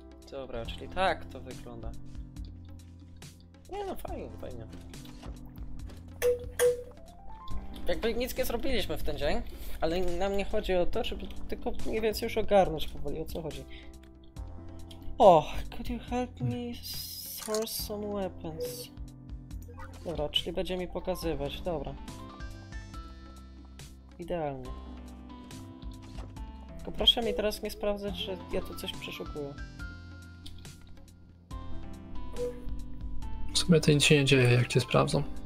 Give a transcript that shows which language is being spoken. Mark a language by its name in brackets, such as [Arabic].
[Polish] Dobra, czyli tak to wygląda. Nie no, fajnie, fajnie. Jakby nic nie zrobiliśmy w ten dzień, ale nam nie chodzi o to, żeby tylko mniej więcej już ogarnąć powoli, o co chodzi. [English] O, could you help me source some weapons? [Polish] Dobra, czyli będzie mi pokazywać, dobra. Idealnie. Tylko proszę mi teraz nie sprawdzać, że ja tu coś przeszukuję. W sumie to nic się nie dzieje, jak cię sprawdzą.